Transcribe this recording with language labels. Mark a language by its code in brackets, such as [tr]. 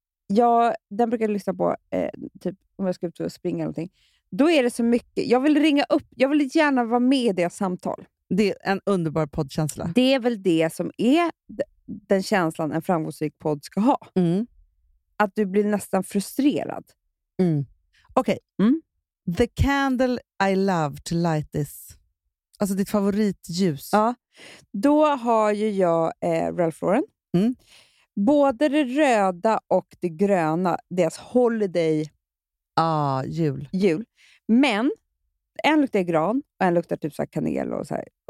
[sv] Ja, den brukar jag lyssna på, typ om jag ska ut och springa eller någonting. Då är det så mycket, jag vill ringa upp, jag vill gärna vara med i det samtal. Det är en underbar poddkänsla. Det är väl det som är den känslan en framgångsrik podd ska ha. Mm. Att du blir nästan frustrerad. Mm. Okej. Okay. Mm. [en] The candle I love to light this. [sv] Alltså ditt favoritljus. Ja. Då har ju jag Ralph Lauren. Mm. Både det röda och det gröna. Deras holiday. Ja, ah, jul. Jul. Men en luktar gran och en luktar typ så här kanel och så här.